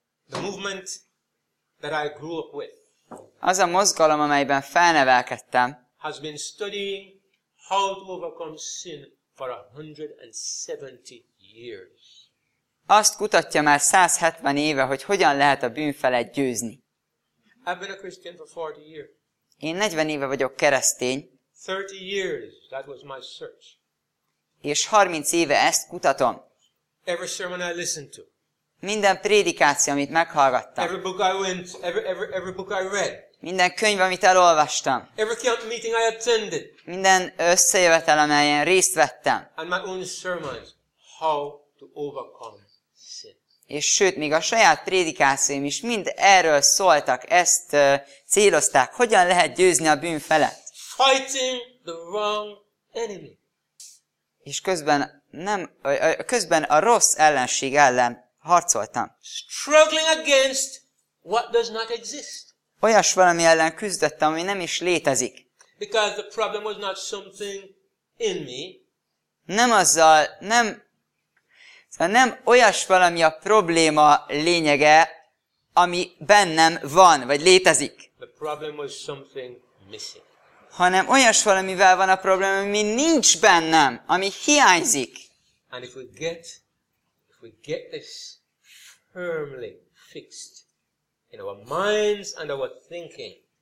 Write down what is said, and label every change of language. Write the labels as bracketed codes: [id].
[en] The movement that I grew up with. [hu] Az a mozgalom, amelyben felnevelkedtem, [en] has been studying how to overcome sin for 170 years. [hu] Azt kutatja már 170 éve, hogy hogyan lehet a bűn felett győzni. [en] I've been a Christian for 40 years. [hu] Én 40 éve vagyok keresztény. [en] 30 years, that was my search. [hu] És 30 éve ezt kutatom. [en] Every sermon I listened to. [hu] Minden prédikáció, amit meghallgattam. [en] Every book I went, every book I read. [hu] Minden könyv, amit elolvastam. [en] Every camp meeting I attended. [hu] Minden összejövetel, amelyen részt vettem. [en] And my own sermons, how to overcome sin. [hu] És sőt, még a saját prédikációim is mind erről szóltak, ezt célozták. Hogyan lehet győzni a bűn felett? [en] Fighting the wrong enemy. [hu] És közben nem, közben a rossz ellenség ellen harcoltam. [en] Struggling against what does not exist. [hu] Olyas valami ellen küzdöttem, ami nem is létezik. [en] Because the problem was not something in me. [hu] Nem olyas valami a probléma lényege, ami bennem van, vagy létezik. [en] The problem was something missing. [hu] Hanem olyas valamivel van a probléma, ami nincs bennem, ami hiányzik. [en] And if we get this firmly fixed in our minds and our thinking.